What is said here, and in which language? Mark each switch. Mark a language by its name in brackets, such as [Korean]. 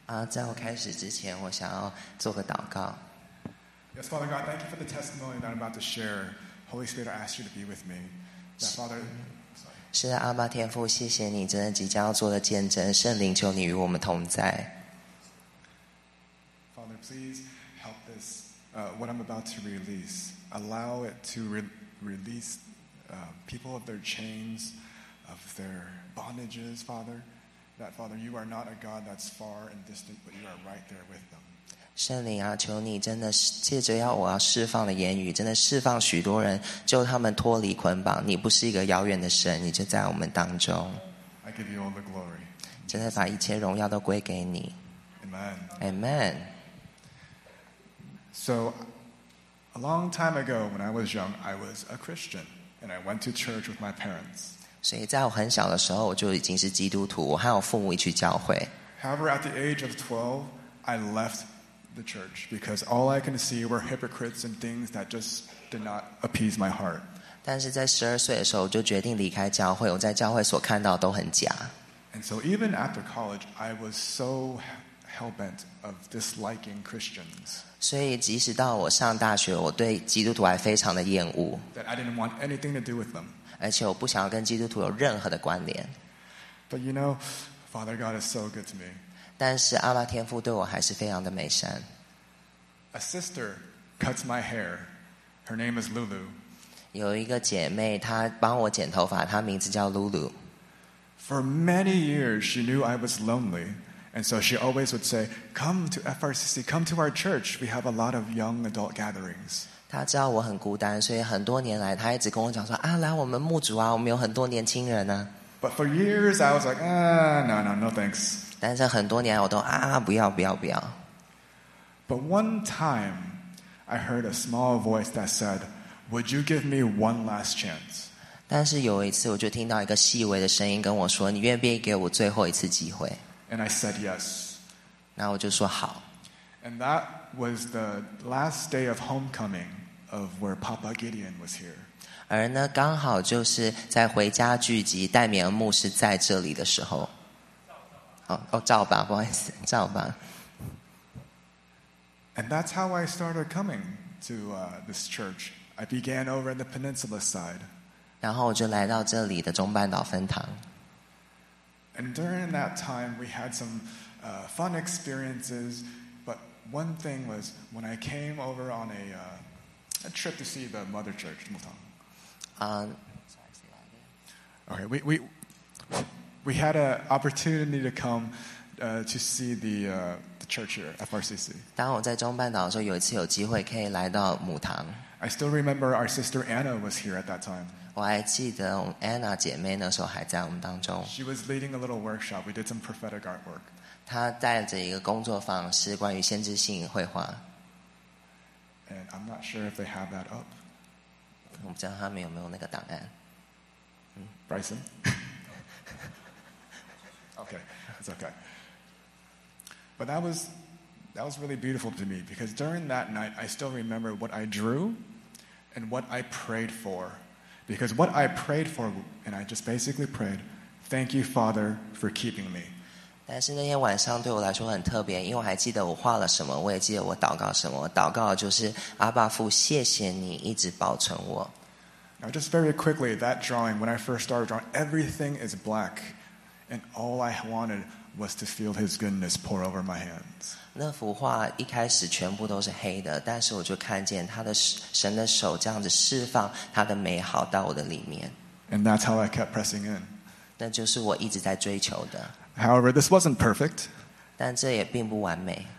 [Chinese] 在我开始之前，我想要做个祷告。 [English] Yes, Father God, thank you for the testimony that I'm about to share. Holy Spirit, I ask you to be with me. Yeah, Father, sorry. [Chinese] 是的，阿爸天父，谢谢你，真的即将要做的见证，圣灵求你与我们同在。 [English] Father, please help this, what I'm about to release. Allow it to release people of their chains, of their bondages, Father. That Father, you are not a God that's far and distant, but you are right there with them. [Chinese] 圣灵啊，求你真的是借着要我要释放的言语，真的释放许多人，救他们脱离捆绑。你不是一个遥远的神，你就在我们当中。 [English] I give you all the glory. [Chinese] 真的把一切荣耀都归给你。 [English] Amen. Amen. So, a long time ago, when I was young, I was a Christian, and I went to church with my parents. [Chinese] 所以在我很小的时候，我就已经是基督徒，我和我父母一起去教会。 [English] However, at the age of 12, I left the church because all I can see were hypocrites and things that just did not appease my heart. [Chinese] 但是在12岁的时候，我就决定离开教会，我在教会所看到都很假。 [English] And so even after college, I was so hell-bent of disliking Christians. [Chinese] 所以即使到我上大学，我对基督徒还非常的厌恶。 [English] That I didn't want anything to do with them. [Chinese] 而且我不想要跟基督徒有任何的关联。 [English] But you know, Father God is so good to me. [Chinese] 但是阿爸天父对我还是非常的美善。 [English] A sister cuts my hair. Her name is Lulu. [Chinese] 有一个姐妹，她帮我剪头发，她名字叫 Lulu. [English] For many years, she knew I was lonely. And so she always would say, come to FRCC, come to our church. We have a lot of young adult gatherings. [Chinese] 她知道我很孤单，所以很多年来她一直跟我讲说，啊，来我们牧主啊，我们有很多年轻人啊。 [English] But for years, I was like, no thanks. [Chinese] 但是很多年来我都不要，不要，不要。 [English] But one time, I heard a small voice that said, would you give me one last chance? [Chinese] 但是有一次我就听到一个细微的声音跟我说，你愿不愿意给我最后一次机会？ [English] And I said yes. [Chinese] 那我就说好。 [English] And that was the last day of homecoming of where Papa Gideon was here. [Chinese] 而呢，刚好就是在回家聚集戴米恩牧师在这里的时候。赵爸，不好意思，赵爸。 [English] And that's how I started coming to this church. I began over in the peninsula side. [Chinese] 然后我就来到这里的中半岛分堂。 [English] And during that time, we had some fun experiences. But one thing was when I came over on a trip to see the mother church, Mutang. Okay, we had an opportunity to come to see the church here, FRCC. [Chinese] 当我在中半岛的时候，有一次有机会可以来到母堂。 [English] I still remember our sister Anna was here at that time. [Chinese] 我还记得 Anna 姐妹那时候还在我们当中。 [English] She was leading a little workshop. We did some prophetic artwork. [Chinese] 她带着一个工作坊，是关于先知性绘画。 [English] And I'm not sure if they have that up. [Chinese] 我不知道他们有没有那个档案。 [English] Bryson? Okay, it's okay. But that was really beautiful to me because during that night, I still remember what I drew and what I prayed for. Because what I prayed for, and I just basically prayed, thank you, Father, for keeping me. [Chinese] 但是那天晚上对我来说很特别，因为我还记得我画了什么，我也记得我祷告什么。我祷告就是阿爸父，谢谢你一直保存我。 [English] Now, just very quickly, that drawing, when I first started drawing, everything is black, and all I wanted was to feel His goodness pour over my hands. [Chinese] 那幅画一开始全部都是黑的，但是我就看见他的神的手这样子释放他的美好到我的里面。 [English] And that's how I kept pressing in. [Chinese] 那就是我一直在追求的。 [English] However, this wasn't perfect. [Chinese] 但这也并不完美。